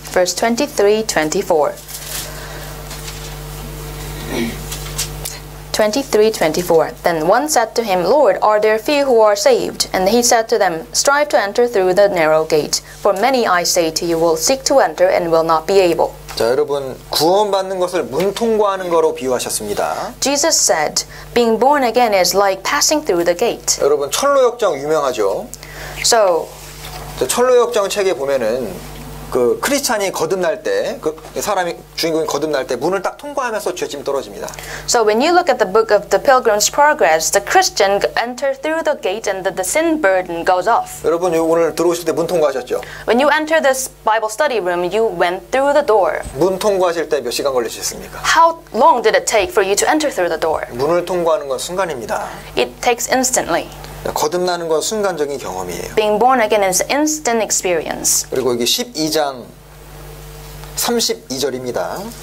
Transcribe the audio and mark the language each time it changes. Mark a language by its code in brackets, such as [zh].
[en] Verse 23-24. Then one said to him, Lord, are there few who are saved? And he said to them, Strive to enter through the narrow gate, for many, I say to you, will seek to enter and will not be able. [ko] 자, 여러분, 구원받는 것을 문 통과하는 거로 비유하셨습니다. [en] Jesus said, being born again is like passing through the gate. [ko] 여러분, 철로역정 유명하죠? [en] So, [ko] 자, 철로역정 책에 보면은 그 크리스찬이 거듭날 때 그 사람이 주인공이 거듭날 때 문을 딱 통과하면서 죄짐 떨어집니다. [en] So when you look at the book of the Pilgrim's Progress, the Christian enter through the gate and the sin burden goes off. [ko] 여러분 오늘 들어오실 때 문 통과하셨죠? [en] When you enter this Bible study room, you went through the door. [ko] 문 통과하실 때 몇 시간 걸리셨습니까? [en] How long did it take for you to enter through the door? [ko] 문을 통과하는 건 순간입니다. [en] It takes instantly. [ko] 거듭나는 건 순간적인 경험이에요. [en] Being born again is instant experience. [ko] 그리고 여기 12장 32절입니다.